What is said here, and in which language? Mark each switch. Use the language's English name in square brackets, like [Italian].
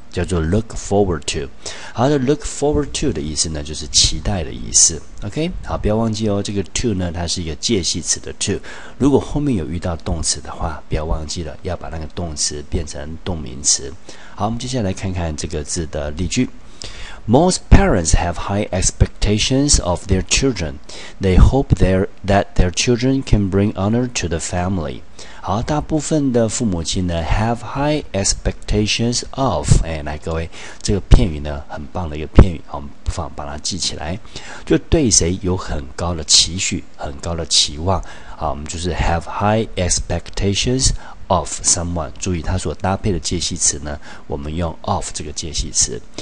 [Chinese] 叫做 [English] look forward to。 [Chinese] 好的， look forward to 的意思呢就是期待的意思。 OK， 好，不要忘记哦，这个 to 呢它是一个介系词的 to， 如果后面有遇到动词的话，不要忘记了要把那个动词变成动名词。好，我们接下来看看这个字的例句。 [English] Most parents have high expectations of their children. They hope that their children can bring honor to the family. [Chinese] 好，大部分的父母亲呢 [English] have high expectations of. [Chinese] 哎，来各位，这个片语呢很棒的一个片语，我们不妨把它记起来。就对谁有很高的期许，很高的期望。好，我们就是 [English] have high expectations of someone， [Chinese] 注意它所搭配的介系词呢，我们用 of 这个介系词。